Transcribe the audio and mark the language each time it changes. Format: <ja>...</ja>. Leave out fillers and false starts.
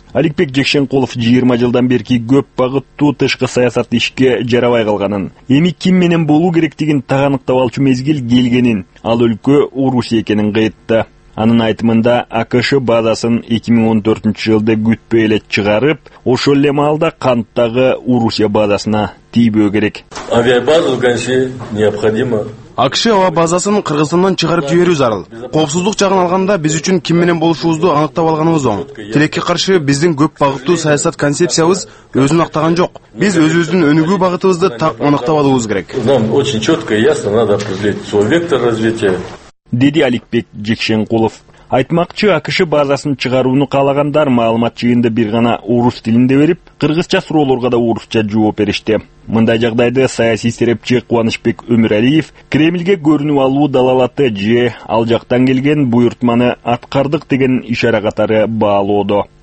<ky>Алекбек Жекшенкулов 20 жылдан берки көп багыттуу тышкы саясат ишке жарабай калганын, эми ким менен болуу керектигин тааныктап алчу мезгил келгенин, ал өлкө Орусия экенин кайтты. Анын айтымында АКШ базасын 2014 жылда күтпөй эле чыгарып, ошол эле маалда канттагы Орусия базасына тийбөө керек.</ky> <ru>Авиабаза конечно необходима.</ru> <ky>АКШ аба базасын Кыргызстандан чыгарып жиберүү зарыл. Коопсуздук жагын алганда биз үчүн ким менен болушубузду аныктап алганыбыз оң. Тилекке каршы биздин көп багыттуу саясат концепциябыз өзүн актаган жок. Биз өзүбүздүн өнүгүү багытыбызды так аныктап алуубуз керек.</ky> <ru>Нам очень четко и ясно надо определить свой вектор развития.</ru> <ky>Деди Алекбек Жекшенкулов. Айтмакчы, АКШ базасын чыгарууну каалагандар маалымат жыйынды бир гана орус тилинде берип, кыргызча суроолорго да орусча жооп беришти. Мындай жагдайды саясий серепчи Кубанычбек Өмүрәлиев Кремльге көрүнүп алуу далалаты же ал жактан келген буйрутманы аткардык деген ишара катары баалоодо.</ky>